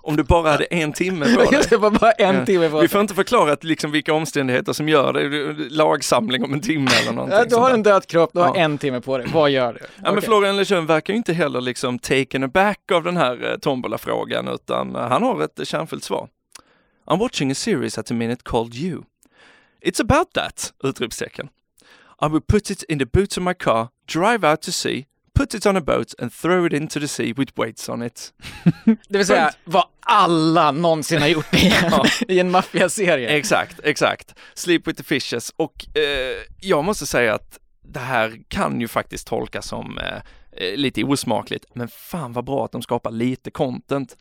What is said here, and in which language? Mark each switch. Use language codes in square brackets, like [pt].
[sv] Om du bara hade en timme på dig. Det var bara en timme på dig. Vi får inte förklara att liksom vilka omständigheter som gör det. Lagsamling om en timme eller någonting. Du har en död kropp, du har en timme på dig. Vad gör du? Ja, okay. Men Florian Lejeune verkar ju inte heller liksom [en] taken aback [sv] av den här tombola-frågan, utan han har ett kärnfullt svar. [en] I'm watching a series at the minute called You. It's about that, [sv] utropstecken. [en] I will put it in the boot of my car, drive out to sea, put it on a boat and throw it into the sea with weights on it. [sv] Det vill säga vad alla någonsin har gjort i en maffiaserie. Exakt, exakt. [en] Sleep with the fishes. [sv] Och jag måste säga att det här kan ju faktiskt tolkas som lite osmakligt. Men fan vad bra att de skapar lite content.